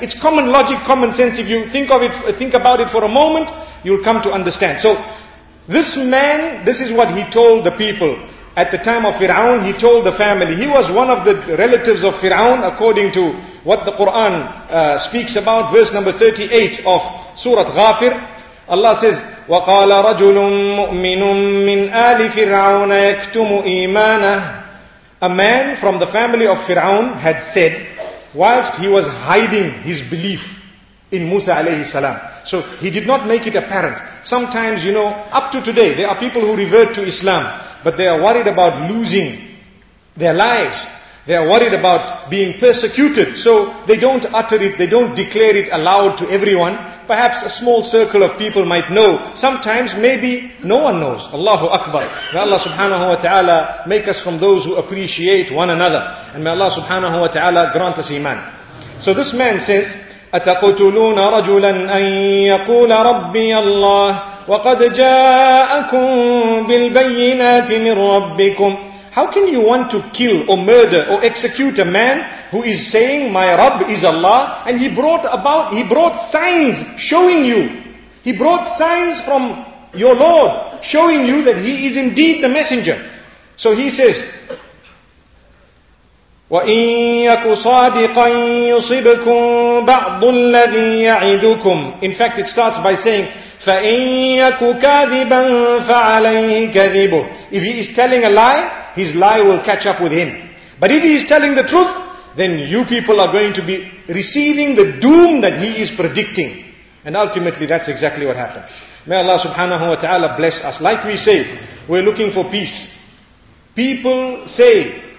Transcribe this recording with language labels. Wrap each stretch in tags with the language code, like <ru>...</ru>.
<en>It's common logic, common sense. If you think about it for a moment, you'll come to understand. So this man, this is what he told the people. At the time of Fir'aun, he told the family. He was one of the relatives of Fir'aun, according to what the Quran speaks about. Verse number 38 of Surah Ghafir. Allah says,</en> <ar>وَقَالَ رَجُلٌ مُؤْمِنٌ مِّنْ آلِ فِرْعَوْنَ يَكْتُمُ إِيمَانَهُ.</ar> <en>A man from the family of Fir'aun had said, whilst he was hiding his belief in Musa alayhi salam. So he did not make it apparent. Sometimes, you know, up to today, there are people who revert to Islam, but they are worried about losing their lives. They are worried about being persecuted. So they don't utter it, they don't declare it aloud to everyone. Perhaps a small circle of people might know. Sometimes maybe no one knows. Allahu Akbar. May Allah subhanahu wa ta'ala make us from those who appreciate one another. And may Allah subhanahu wa ta'ala grant us iman. So this man says,</en> <ar>أتقتلون رجلا أن يقول ربي الله وقد جاءكم بالبينات من ربكم.</ar> <en>How can you want to kill or murder or execute a man who is saying my Rabb is Allah and he brought signs showing you. He brought signs from your Lord showing you that he is indeed the messenger. So he says,</en> <ar>وَإِن يَكُ صَادِقًا يُصِبْكُمْ بَعْضُ الَّذِي يَعِدُكُمْ.</ar> <en>In fact, it starts by saying,</en> <ar>فَإِن يَكُ كَاذِبًا فَعَلَيْهِ كَذِبُهُ.</ar> <en>If he is telling a lie, his lie will catch up with him. But if he is telling the truth, then you people are going to be receiving the doom that he is predicting. And ultimately, that's exactly what happened. May Allah subhanahu wa ta'ala bless us. Like we say, we're looking for peace. People say,</en>